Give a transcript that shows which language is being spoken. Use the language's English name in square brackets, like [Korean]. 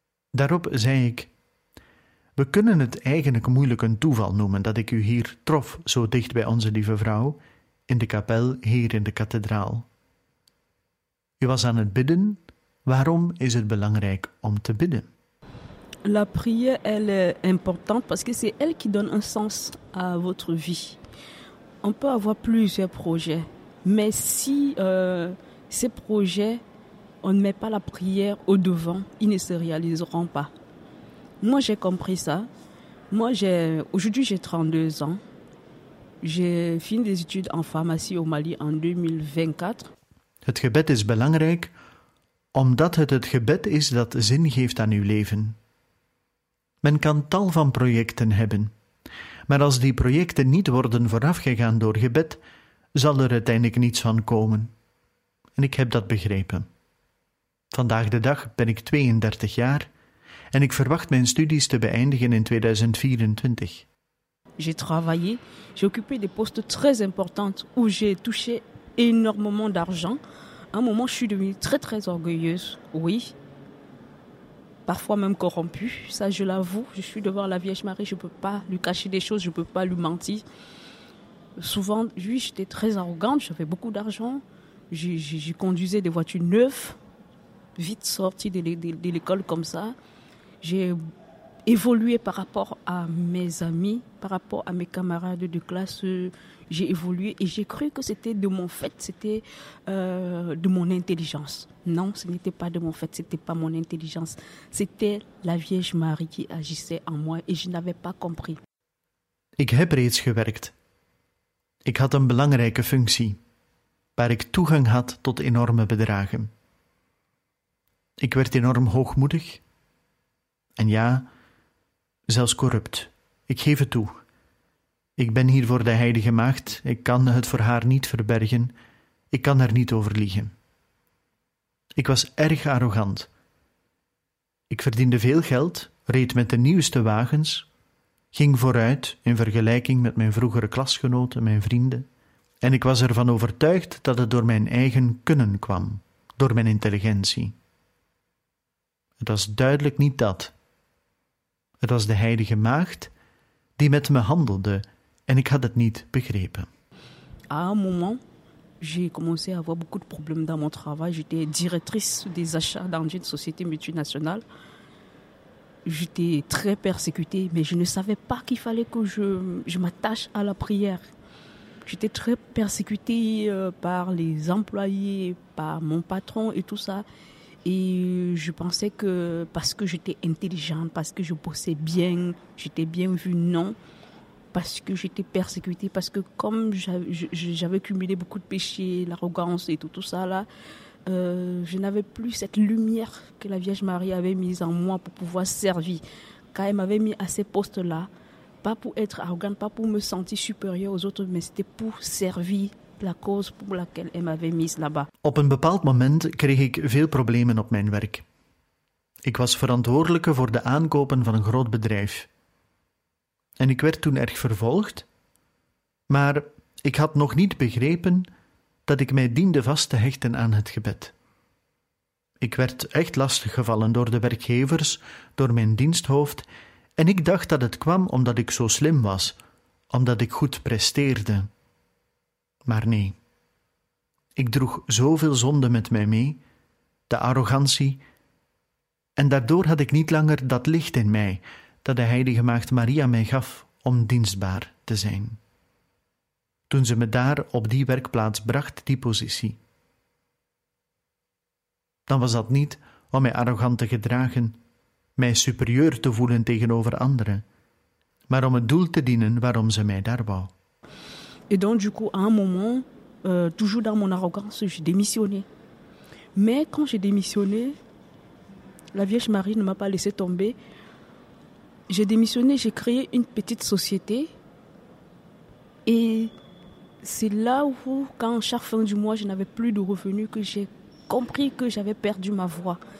[Dutch] Daarop zei ik: we kunnen het eigenlijk moeilijk een toeval noemen dat ik u hier trof, zo dicht bij Onze Lieve Vrouw, in de kapel hier in de kathedraal. U was aan het bidden. Waarom is het belangrijk om te bidden? [French] La prière, elle est importante parce que c'est elle qui donne un sens à votre vie. On peut avoir plusieurs projets, mais si ces projets, on ne met pas la prière au devant, ils ne se réaliseront pas. Moi, j'ai compris ça. Moi, aujourd'hui, j'ai 32 ans. J'ai fini des études en pharmacie au Mali en 2024. [Dutch] Het gebed is belangrijk, omdat het gebed is dat zin geeft aan uw leven. Men kan tal van projecten hebben, maar als die projecten niet worden voorafgegaan door gebed, zal er uiteindelijk niets van komen. En ik heb dat begrepen. Vandaag de dag ben ik 32 jaar en ik verwacht mijn studies te beëindigen in 2024. [French] J'ai travaillé, j'ai occupé des postes très importants où j'ai touché énormément d'argent. À un moment, je suis devenue très très orgueilleuse, oui. Parfois même corrompue, ça je l'avoue. Je suis devant la Vierge Marie, je ne peux pas lui cacher des choses, je ne peux pas lui mentir. Souvent, oui, j'étais très arrogante, j'avais beaucoup d'argent. J'y conduisais des voitures neuves, vite sorties de l'école comme ça. J'ai évolué par rapport à mes amis, par rapport à mes camarades de classe. J'ai évolué et j'ai cru que c'était de mon fait, c'était de mon intelligence. Non, ce n'était pas de mon fait, c'était pas mon intelligence. C'était la Vierge Marie qui agissait en moi et je n'avais pas compris. [Dutch] Ik heb reeds gewerkt. Ik had een belangrijke functie, waar ik toegang had tot enorme bedragen. Ik werd enorm hoogmoedig en ja, zelfs corrupt. Ik geef het toe. Ik ben hier voor de heilige maagd, ik kan het voor haar niet verbergen, ik kan er niet over liegen. Ik was erg arrogant. Ik verdiende veel geld, reed met de nieuwste wagens, ging vooruit in vergelijking met mijn vroegere klasgenoten, mijn vrienden, en ik was ervan overtuigd dat het door mijn eigen kunnen kwam, door mijn intelligentie. Het was duidelijk niet dat. Het was de heilige maagd die met me handelde, en ik had het niet begrepen. [French] À un moment, j'ai commencé à avoir beaucoup de problèmes dans mon travail. J'étais directrice des achats dans une société multinationale. J'étais très persécutée, mais je ne savais pas qu'il fallait que je m'attache à la prière. J'étais très persécutée par les employés, par mon patron et tout ça. Et je pensais que parce que j'étais intelligente, parce que je bossais bien, j'étais bien vue, non. Parce que j'étais persécutée, parce que comme j'avais cumulé beaucoup de péchés, l'arrogance et tout ça là, je n'avais plus cette lumière que la Vierge Marie avait mise en moi pour pouvoir servir. Quand elle m'avait mis à ces postes-là, pas pour être arrogante, pas pour me sentir supérieure aux autres, mais c'était pour servir la cause pour laquelle elle m'avait mise là-bas. [Dutch] Op een bepaald moment kreeg ik veel problemen op mijn werk. Ik was verantwoordelijke voor de aankopen van een groot bedrijf. En ik werd toen erg vervolgd, maar ik had nog niet begrepen dat ik mij diende vast te hechten aan het gebed. Ik werd echt lastiggevallen door de werkgevers, door mijn diensthoofd, en ik dacht dat het kwam omdat ik zo slim was, omdat ik goed presteerde. Maar nee, ik droeg zoveel zonde met mij mee, de arrogantie, en daardoor had ik niet langer dat licht in mij dat de heilige maagd Maria mij gaf om dienstbaar te zijn. Toen ze me daar op die werkplaats bracht, die positie. Dan was dat niet om mij arrogant te gedragen, mij superieur te voelen tegenover anderen. maar om het doel te dienen waarom ze mij daar wou. [French] Et donc, du coup, à un moment, toujours dans mon arrogance, j'ai démissionné. Mais quand j'ai démissionné, la Vierge Marie ne m'a pas laissé tomber. J'ai démissionné, j'ai créé une petite société. Et c'est là où, quand chaque fin du mois, je n'avais plus de revenus, que j'ai compris que j'avais perdu ma voix.